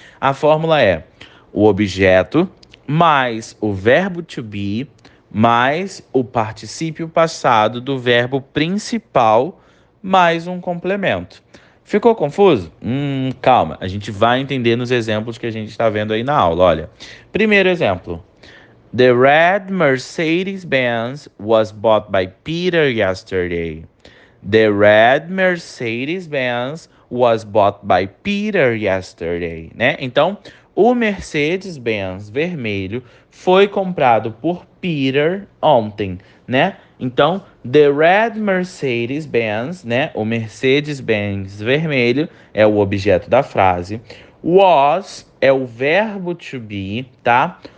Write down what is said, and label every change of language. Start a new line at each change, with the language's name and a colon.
Portuguese: A fórmula é o objeto mais o verbo to be mais o particípio passado do verbo principal mais um complemento. Ficou confuso? Calma, a gente vai entender nos exemplos que a gente está vendo aí na aula. Olha, primeiro exemplo.
English: The red Mercedes-Benz was bought by Peter yesterday. The red Mercedes-Benz was bought by Peter yesterday,
Portuguese: né? Então, o Mercedes-Benz vermelho foi comprado por Peter ontem, né? Então,
English: the red Mercedes-Benz,
Portuguese: né? O Mercedes-Benz vermelho é o objeto da frase. Was é o verbo to be, tá?